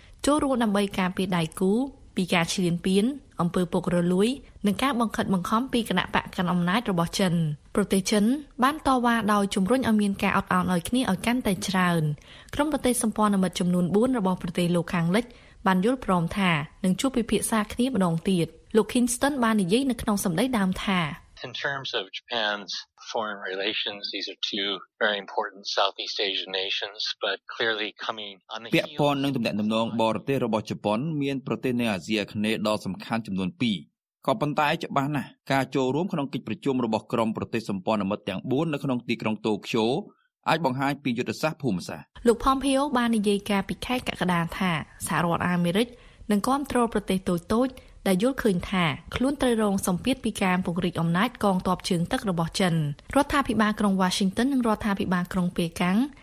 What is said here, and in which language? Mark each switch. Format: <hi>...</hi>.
<km>ចូលរួមដើម្បីការពារដៃគូពីការឈ្លានពានអំពើពុករលួយនិងការបង្ខិតបង្ខំពីគណៈបកកណ្ដាលអំណាចរបស់ចិនប្រទេសចិនបានតវ៉ាដោយជំរុញឲ្យមានការអត់ឱនឲ្យគ្នាឲ្យកាន់តែច្រើនក្រុមប្រទេសសម្ព័ន្ធមិត្តចំនួន4របស់ប្រទេសលោកខាងលិចបានយល់ព្រមថានឹងជួបពិភាក្សាគ្នាម្ដងទៀតលោក Kingston បាននិយាយនៅក្នុងសម្ដីដើមថា</km> <en>In terms of Japan's foreign relations, these are two very important Southeast Asian nations, but clearly coming on the heels.</en> <km>ពាក់ព័ន្ធនឹងទំនាក់ទំនងបរទេសរបស់ជប៉ុនមានប្រទេសនៅអាស៊ីអាគ្នេយ៍ដ៏សំខាន់ចំនួន2ក៏ប៉ុន្តែច្បាស់ណាស់ការចូលរួមក្នុងកិច្ចប្រជុំរបស់ក្រុមប្រទេសសម្ព័ន្ធមិត្តទាំង4នៅក្នុងទីក្រុងតូក្យូអាចបង្ហាញពីយុទ្ធសាស្ត្រភូមិសាស្ត្រ លោកផមភីអូបាននិយាយការពិខែកកដាថាសហរដ្ឋអាមេរិកនឹងគ្រប់គ្រងប្រទេសតូចៗដែលយល់ឃើញថាខ្លួនត្រូវរងសម្ពាធពីការពង្រីកអំណាចកងទ័ពជើងទឹករបស់ចិនរដ្ឋាភិបាលក្រុង Washington និងរដ្ឋាភិបាលក្រុងប៉េកាំង</km>